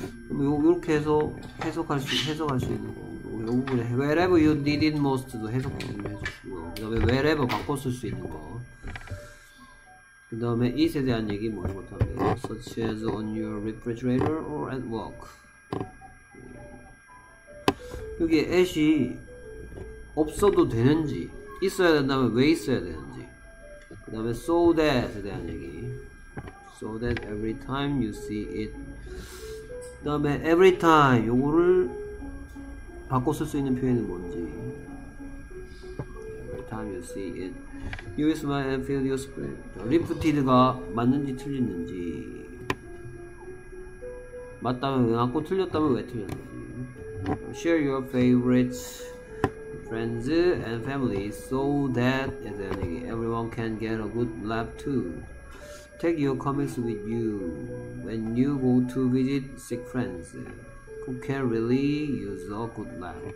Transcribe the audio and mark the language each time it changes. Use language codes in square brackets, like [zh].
[ko] 이렇게 해서 해석할 수 있는 거. 이 부분에 [en] wherever you need it most [ko] 도 해석해주시고요. 그 다음에 wherever 바꿔 쓸 수 있는 거. 그 다음에 it에 대한 얘기 뭐 이런 것도 하네요. [en] such as on your refrigerator or at work. [ko] 여기 at이 없어도 되는지, 있어야 된다면 왜 있어야 되는지, 그 다음에 [en] so that에 대한 얘기. So that every time you see it. [ko] 그 다음에 every time 요거를 바꿔 쓸 수 있는 표현은 뭔지. [en] Every time you see it, you smile and feel your spirit. [ko] Lifted가 맞는지 틀렸는지. 맞다면 왜 맞고 틀렸다면 왜 틀렸는지. [en] Share your favorite friends and family so that everyone can get a good laugh too. Take your comics with you when you go to visit sick friends who can really use a good laugh.